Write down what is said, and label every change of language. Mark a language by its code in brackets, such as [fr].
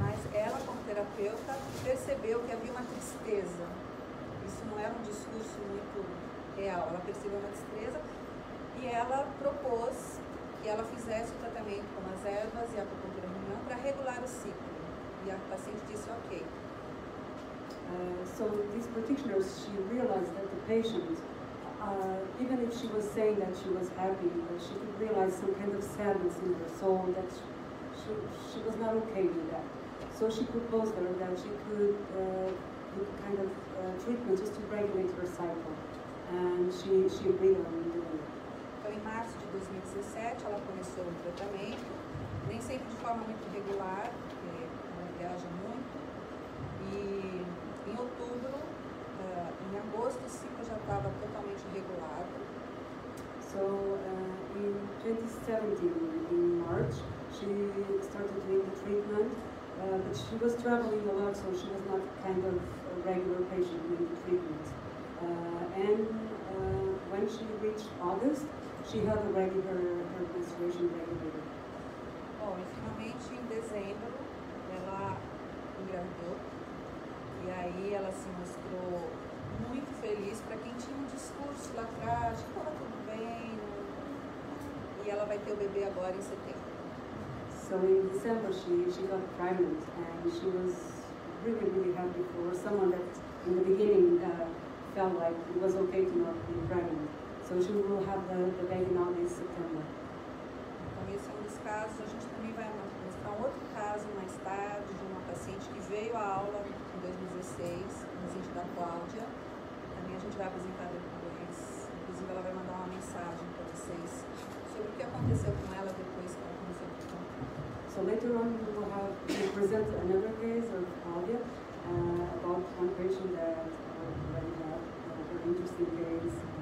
[pt] Mas ela, como terapeuta, percebeu que havia uma tristeza. Isso não era um discurso muito real. Ela percebeu uma tristeza e ela propôs que ela fizesse o tratamento com as ervas e a acupuntura ruminante para regular o ciclo. E a paciente disse ok. [en] So, this practitioner, she realized that the patient, even if she was saying that she was happy, but she could realize some kind of sadness in her soul that she was not okay with that. So she proposed her that she could do kind of treatment just to regulate her cycle. And she agreed on doing it. [pt] Então, em março de 2017, ela começou um tratamento, nem sempre de forma muito regular, porque ela viaja muito. E em outubro, em agosto, o ciclo já estava totalmente regulado. [en] So, in 2017, in March, she started doing the treatment. But she was traveling a lot, so she was not kind of a regular patient with the treatment. When she reached August, she had already her menstruation regularly. [pt] Bom, finalmente em dezembro, ela engravidou. E aí ela se mostrou muito feliz para quem tinha um discurso lá atrás, que estava tudo bem. E ela vai ter o bebê agora em setembro. [en] So in December she got pregnant and she was really, really happy for someone that in the beginning felt like it was okay to not be pregnant. So she will have the baby now this September. [pt] Então esse é um dos casos, a gente também vai mostrar um outro caso mais tarde de uma paciente que veio à aula em 2016, um paciente da Cláudia. Também a gente vai apresentar depois, inclusive ela vai mandar uma mensagem para vocês sobre o que aconteceu com ela depois que ela começou a ficar. [en] So later on, we'll present another case of Claudia about one patient that already had a very interesting case.